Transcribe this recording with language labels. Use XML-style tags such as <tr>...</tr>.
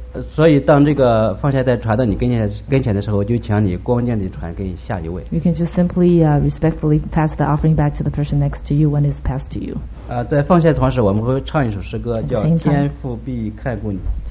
<zh>所以当这个奉献袋传到你跟前的时候，就请你恭敬地传给下一位。</zh> <en>You can just simply respectfully pass the offering back to the person next to you when it's passed to you.</en> <zh>在奉献同时，我们会唱一首诗歌，叫《天父必看顾你》。</zh>